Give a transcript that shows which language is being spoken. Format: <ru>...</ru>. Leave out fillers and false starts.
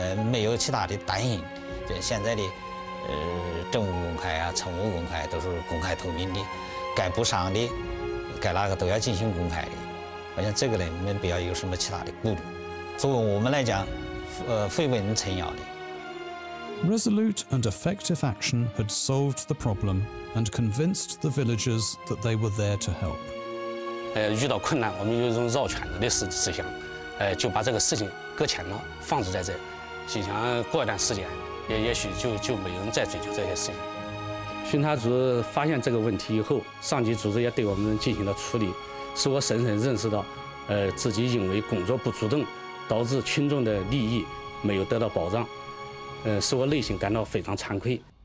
<zh>没有其他的担心，这现在的，政务公开啊，财务公开都是公开透明的，该补偿的，该哪个都要进行公开的。我想这个呢，你们不要有什么其他的顾虑。作为我们来讲，会为你撑腰的。</zh> <en>Resolute and effective action had solved the problem and convinced the villagers that they were there to help.</en> <zh>遇到困难，我们有一种绕圈子的思想，就把这个事情搁浅了，放置在这。心想过一段时间，也许就没人再追究这些事情。巡查组发现这个问题以后，上级组织也对我们进行了处理，使我深深认识到，自己因为工作不主动，导致群众的利益没有得到保障，使我内心感到非常惭愧。</zh>